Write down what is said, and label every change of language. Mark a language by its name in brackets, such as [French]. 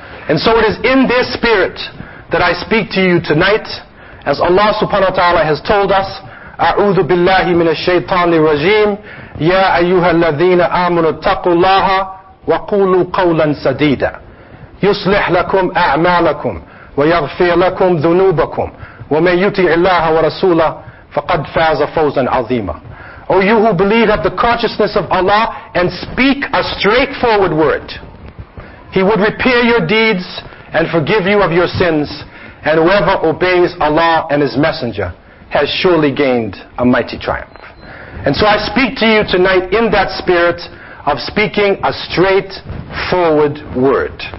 [English] And so it is in this spirit that I speak to you tonight, as Allah subhanahu wa ta'ala has told us, [Arabic] أَعُوذُ بِاللَّهِ مِنَ الشَّيْطَانِ الرَّجِيمِ يَا أَيُّهَا الَّذِينَ آمُنُوا اتَّقُوا اللَّهَ وَقُولُوا قَوْلًا سَدِيدًا يُصْلِحْ لَكُمْ أَعْمَالَكُمْ ويغفر لكم ذنوبكم ومن يطع الله ورسوله فقد فاز فوزا عظيما. [English] O you who believe have the consciousness of Allah and speak a straightforward word, He would repair your deeds and forgive you of your sins, and whoever obeys Allah and His Messenger has surely gained a mighty triumph. And so I speak to you tonight in that spirit of speaking a straightforward word.